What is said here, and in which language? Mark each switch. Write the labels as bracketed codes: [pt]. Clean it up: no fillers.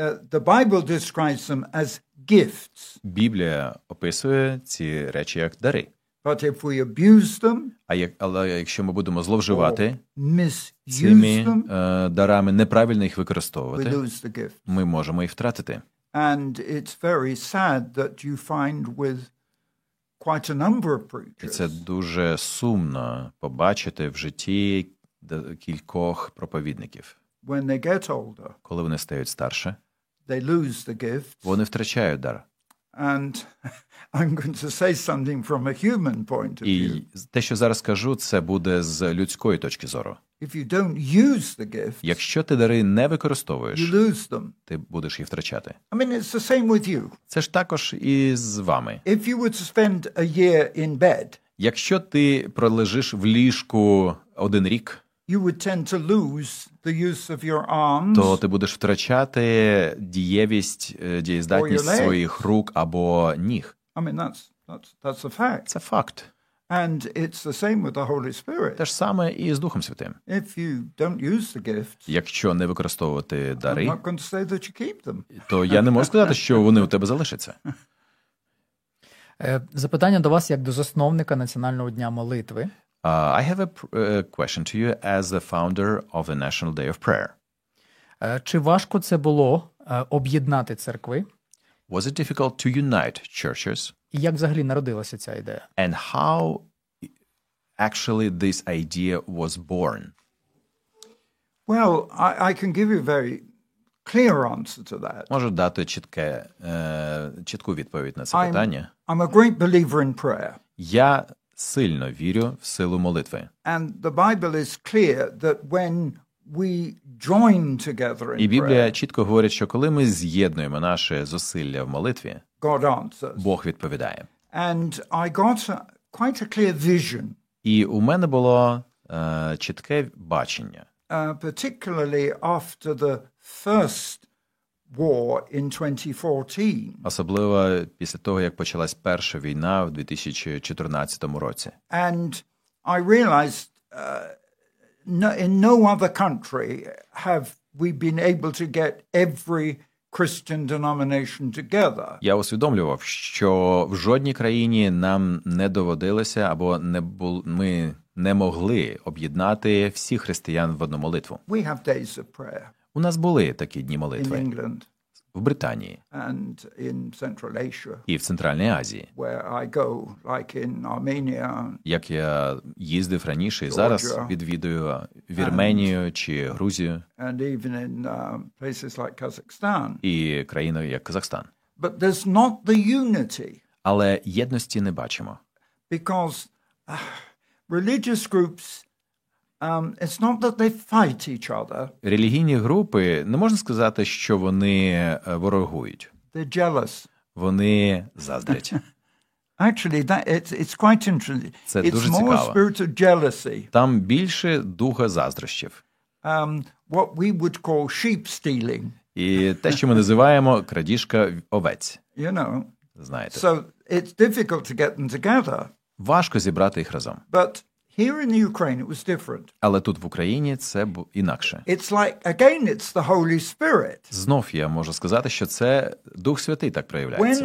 [en] The Bible describes them as gifts. [uk] Біблія описує ці речі як дари. [en] But if we abuse them, [uk] але якщо ми будемо зловживати [en] misuse [uk] цими [en] them, [uk] дарами, неправильно їх використовувати, [en] we lose the gifts. [uk] Ми можемо їх втратити. [en] And it's very sad that you find with quite a number of preachers. [uk] І це дуже сумно побачити в житті кількох проповідників. [en] When they get older, [uk] коли вони стають старше, [en] they lose the gifts. [uk] Вони втрачають дар. [en] And I'm going to say something from a human point of view. [uk] І те, що зараз скажу, це буде з людської точки зору. [en] If you don't use the gifts, [uk] якщо ти дари не використовуєш, [en] you lose them. [uk] Ти будеш їх втрачати. [en] I mean, it's the same with you. [uk] Це ж також і з вами. [en] If you would spend a year in bed, [uk] якщо ти пролежиш в ліжку один рік, [en] you would tend to lose the use of your arms, [uk] то ти будеш втрачати дієздатність своїх рук або ніг. [en] I mean, that's a fact. [uk] Це факт. [en] And it's the same with the Holy Spirit. [uk] Те ж саме і з Духом Святим. [en] If you don't use the gifts, [uk] якщо не використовувати дари, [en] I'm not going to say that you keep them. [uk] То я не можу сказати, що вони у тебе залишаться. Запитання до вас як до засновника Національного дня молитви. [en] I have a question to you as the founder of the National Day of Prayer. [uk] Чи важко це було об'єднати церкви? [en] Was it difficult to unite churches? [uk] І як взагалі народилася ця ідея? [en] And how actually this idea was born? Well, I can give you a very clear answer to that. [uk] Можу дати чітке чітку відповідь на це питання. [en] I'm a great believer in prayer. [uk] Я сильно вірю в силу молитви. [en] And the Bible is clear that when we join together in prayer. [uk] І Біблія чітко говорить, що коли ми з'єднуємо наші зусилля в молитві, [en] God answers. [uk] Бог відповідає. [en] And I got quite a clear vision. [uk] І у мене було чітке бачення. [en] Particularly after the first war in 2014. [uk] Особливо після того, як почалась перша війна в 2014 році. [en] And I realized in no other country have we been able to get every Christian denomination together. [uk] Я усвідомлював, що в жодній країні нам не доводилося або не бул ми не могли об'єднати всіх християн в одну молитву. [en] We have days of prayer. [uk] У нас були такі дні молитви. [en] In England. [uk] В Британії. [en] And in Central Asia. [uk] І в Центральній Азії. [en] Where I go, like in Armenia. [uk] Як я їздив раніше і зараз відвідую Вірменію чи Грузію. [en] And even in places like Kazakhstan. [uk] І країни як Казахстан. [en] But there's not the unity. [uk] Але єдності не бачимо. [en] Because religious groups it's not that they fight each other. [uk] Релігійні групи, не можна сказати, що вони ворогують. [en] They're jealous. [uk] Вони заздрять. [en] Actually, that it's quite interesting. [uk] Це [en] it's [uk] дуже [en] more [uk] цікаво. [en] Spirit of jealousy. [uk] Там більше духа заздрощів. [en] What we would call sheep stealing. [uk] І те, що ми називаємо крадіжка овець. [en] You know. [uk] Знаєте. [en] So it's difficult to get them together. [uk] Важко зібрати їх разом. [en] But here in the Ukraine it was different. [uk] Але тут в Україні це інакше. [en] It's like again it's the Holy Spirit. [uk] Знов я можу сказати, що це Дух Святий так проявляється.